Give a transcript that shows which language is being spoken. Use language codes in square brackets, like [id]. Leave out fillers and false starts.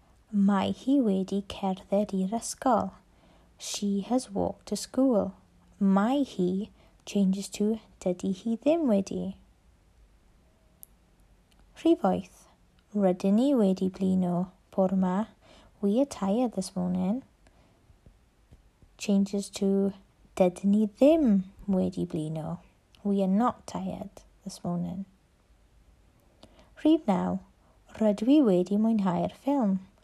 [cy] Mae hi wedi cerdded i'r ysgol. [en] She has walked to school. [cy] Mae hi [en] changes to [cy] dydy hi ddim wedi. Rhif 8. Rydyn ni wedi blino bore ma. [en] We are tired this morning. Changes to [cy] dydyn ni ddim wedi blino. [en] We are not tired this morning. [cy] Rhif 9. Rydw i wedi mwynhau'r ffilm.